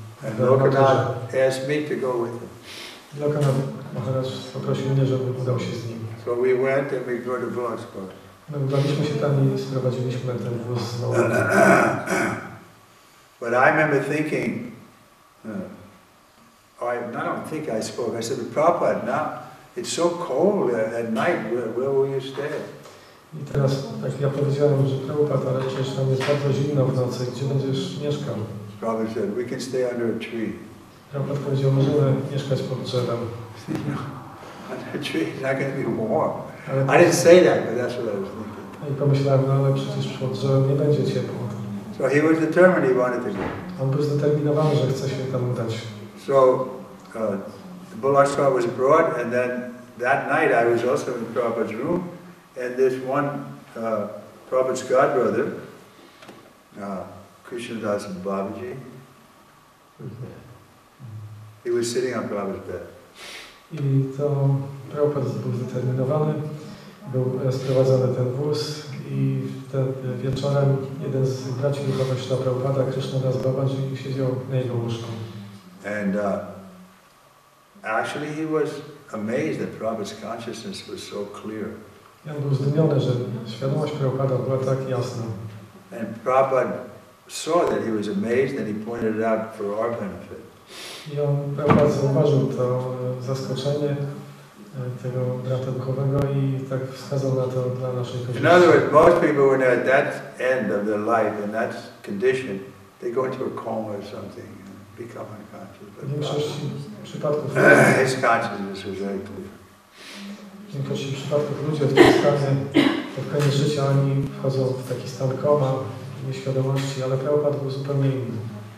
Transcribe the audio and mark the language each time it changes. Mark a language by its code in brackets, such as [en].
[en] And asked me to go with him. [pl] Lokanath Maharaj poprosił mnie, żeby udał się z nim. [en] So we went and we got a bullock's car. [pl] No, udaliśmy się tam i sprowadziliśmy ten wóz z wołami. [en] But I remember thinking, I don't think I spoke. I said, Prabhupada, now it's so cold at night. Where will you stay? [pl] I teraz, tak ja powiedziałem, że Prabhupada, ale przecież tam jest bardzo zimno w nocy. Gdzie będziesz mieszkał? [en] Prabhupada said, we can stay under a tree. [pl] Prabhupada powiedział, możemy mieszkać pod drzewem. [en] Under a tree, it's not going to be warm. I didn't say that, but that's what I was thinking. [pl] I pomyślałem, no ale przecież pod drzewem nie będzie ciepło. [en] So he was determined he wanted to go. [pl] On był zdeterminowany, że chce się tam udać. [en] So the bullock's car was brought, and then that night I was also in Prabhupada's room, and this one, Prabhupada's godbrother, Krishnadas Babaji. He was sitting on Prabhupada's bed. [pl] I to Prabhupada był zdeterminowany, był sprowadzony ten wóz i wtedy wieczorem jeden z braci duchowych Śrila Prabhupada, Krishnadas Babaji, siedział na jego łóżku. [en] And actually he was amazed that Prabhupada's consciousness was so clear. [pl] I on był zdumiony, że świadomość Prabhupada była tak jasna. [en] And Prabhupada saw that he was amazed and he pointed it out for our benefit. [pl] I on Prabhupada zauważył to zaskoczenie tego brata duchowego i tak wskazał na to dla naszej korzyści. [en] In other words, most people when they're at that end of their life in that condition, they go into a coma or something and become unconscious. [pl] W większości przypadków [en] his consciousness was very clear. [pl] W większości przypadków ludzie w tym stanie, pod koniec życia, oni wchodzą w taki stan koma, nieświadomości, ale Prabhupada był zupełnie inny.